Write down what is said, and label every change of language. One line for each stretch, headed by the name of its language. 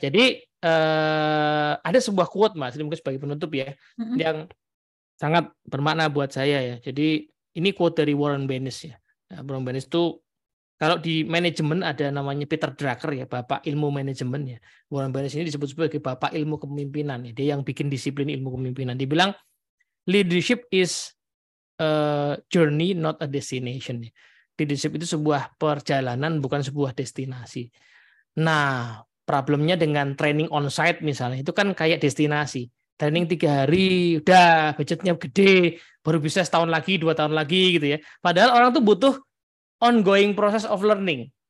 Indonesian: Jadi ada sebuah quote Mas, mungkin sebagai penutup ya, yang sangat bermakna buat saya ya. Jadi ini quote dari Warren Bennis ya. Nah, Warren Bennis itu kalau di manajemen ada namanya Peter Drucker ya, Bapak Ilmu Manajemen ya. Warren Bennis ini disebut sebagai Bapak Ilmu Kepemimpinan ya. Dia yang bikin disiplin ilmu kepemimpinan.
English: Dia bilang leadership is a journey not a destination.
Indonesian: Leadership itu sebuah perjalanan bukan sebuah destinasi. Nah, problemnya dengan training on site misalnya itu kan kayak destinasi. Training 3 hari udah budgetnya gede, baru bisa setahun lagi, 2 tahun lagi gitu ya. Padahal orang tuh butuh
English: ongoing process of learning.